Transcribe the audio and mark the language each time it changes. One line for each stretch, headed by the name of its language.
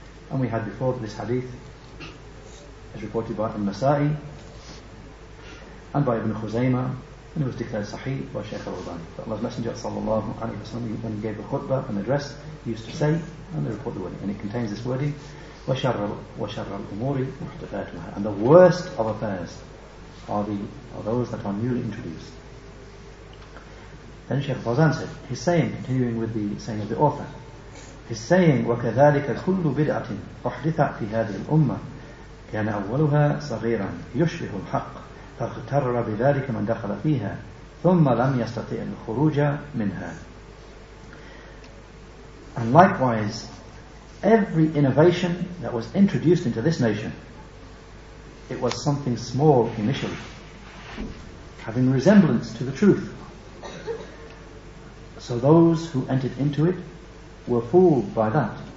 English: And we had before that this hadith is reported by Al-Nasa'i and by Ibn Khuzaymah, and it was declared sahih by Shaykh al-Albani. But Allah's Messenger sallallahu alayhi wa sallam, when he gave a khutbah, an address, he used to say, and they report the wording, and it contains this wording,
Arabic: وَشَرَّ الْأُمُورِ مُحْدَثَاتُهَا.
English: And the worst of affairs are those that are newly introduced. Then Shaykh Fawzan said, he's saying, continuing with the saying of the author, he's saying,
Arabic: وَكَذَلِكَ كُلُّ بِدْعَةٍ أُحْدِثَتْ فِي هَذِهِ الْأُمَّةِ كَانَ أَوَّلُهَا صَغِيرًا يُشْرِهُ الْحَقِّ فاغتر بذلك من دخل فيها ثم لم يستطع الخروج منها.
English: And likewise, every innovation that was introduced into this nation, it was something small initially, having resemblance to the truth. So those who entered into it were fooled by that.